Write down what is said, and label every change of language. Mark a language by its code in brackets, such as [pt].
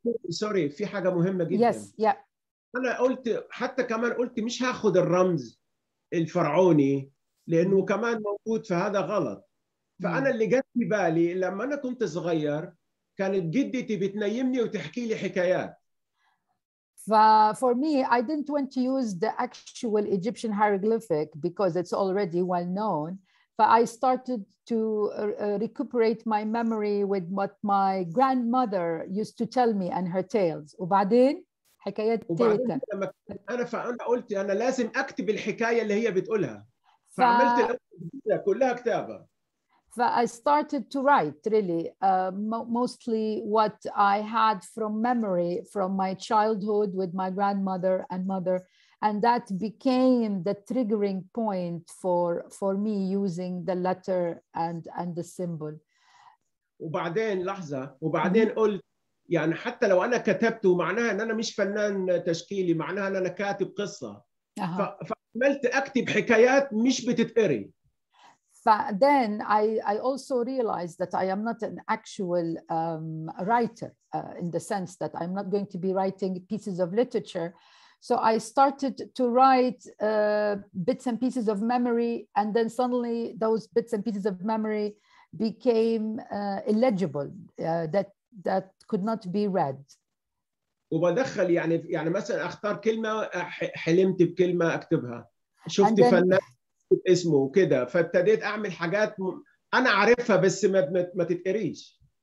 [en] Sorry, [ar] في حاجة مهمة جدا. [en] Yes, yeah. [ar] أنا قلت حتى كمان قلت مش هاخد الرمز الفرعوني لأنه كمان موجود، فهذا غلط. فأنا اللي جت في بالي لما أنا كنت صغير كانت جدتي بتنيمني وتحكي لي حكايات. [en] For me, I didn't want to use the actual Egyptian hieroglyphic because it's already well known. But I started to recuperate my memory with what my grandmother used to tell me and her tales. [ar] وبعدين حكايات تيتا. فأنا قلت أنا لازم أكتب الحكاية اللي هي بتقولها. فعملت كلها كتابة. [en] I started to write really mostly what I had from memory from my childhood with my grandmother and mother, and that became the triggering point for me using the letter and the symbol. [ar] وبعدين لحظة وبعدين قلت يعني حتى لو أنا كتبته معناها أن أنا مش فنان تشكيلي معناها أن أنا كاتب قصة فعملت أكتب حكايات مش بتتقري. [en] But then I also realized that I am not an actual writer in the sense that I'm not going to be writing pieces of literature. So I started to write bits and pieces of memory, and then suddenly those bits and pieces of memory became illegible, that could not be read. [ar] وبدخل يعني مثلا اختار كلمة حلمت بكلمة اكتبها شفت فنان اسمه وكده فابتديت اعمل حاجات انا عارفها بس ما تتقريش.